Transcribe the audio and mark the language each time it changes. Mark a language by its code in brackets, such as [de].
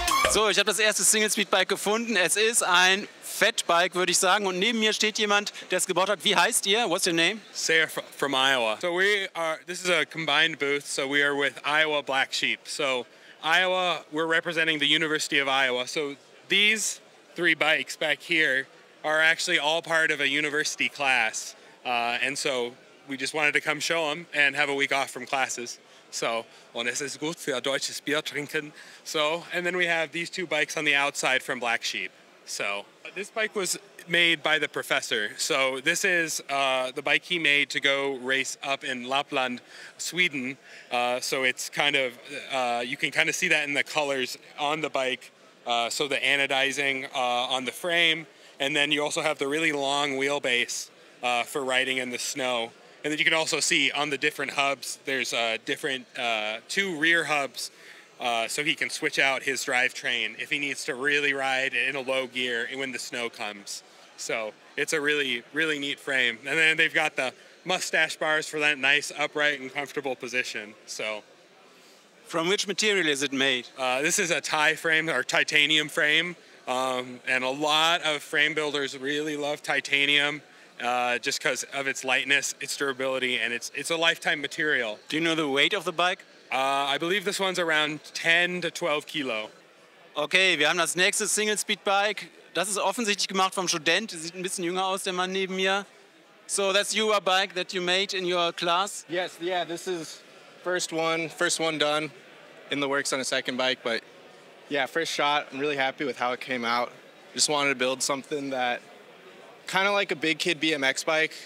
[de] So, ich habe das erste Single-Speed-Bike gefunden. Es ist ein Fat-Bike, würde ich sagen. Und neben mir steht jemand, der es gebaut hat. Wie heißt ihr? [en] What's your name? Sarah from Iowa. So we are, this is a combined booth, so we are with Iowa Black Sheep. So Iowa, we're representing the University of Iowa. So these three bikes back here are actually all part of a university class. And so we just wanted to come show them and have a week off from classes. [de] So, und es ist gut für deutsches Bier trinken. [en] So, and then we have these two bikes on the outside from Black Sheep. So, this bike was made by the professor. So, this is the bike he made to go race up in Lapland, Sweden. So it's kind of, you can kind of see that in the colors on the bike. So the anodizing on the frame. And then you also have the really long wheelbase for riding in the snow. And then you can also see on the different hubs, there's different two rear hubs, so he can switch out his drivetrain if he needs to really ride in a low gear when the snow comes. So it's a really, really neat frame. And then they've got the mustache bars for that nice upright and comfortable position. So, from which material is it made? This is a tie frame or titanium frame, and a lot of frame builders really love titanium. Just because of its lightness, its durability, and it's a lifetime material. Do you know the weight of the bike? I believe this one's around 10 to 12 kilo. [de] Okay, wir haben das nächste Single-Speed-Bike. Das ist offensichtlich gemacht vom Student. Sieht ein bisschen jünger aus, der Mann neben mir. [en] So that's your bike that you made in your class? Yes, yeah, this is first one done in the works on a second bike. But yeah, first shot, I'm really happy with how it came out. Just wanted to build something that kind of like a big kid BMX bike.